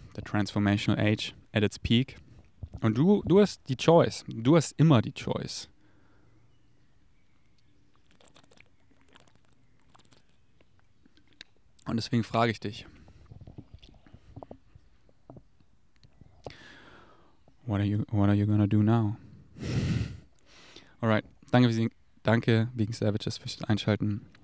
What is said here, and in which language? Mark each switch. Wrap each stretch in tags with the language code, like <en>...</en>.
<en>The transformational age at its peak.</en> <de>Und du hast die Choice. Du hast immer die Choice. Und deswegen frage ich dich.</de> <en>What are you gonna do now? Alright.</en> <de>Danke wegen Savages fürs Einschalten.</de>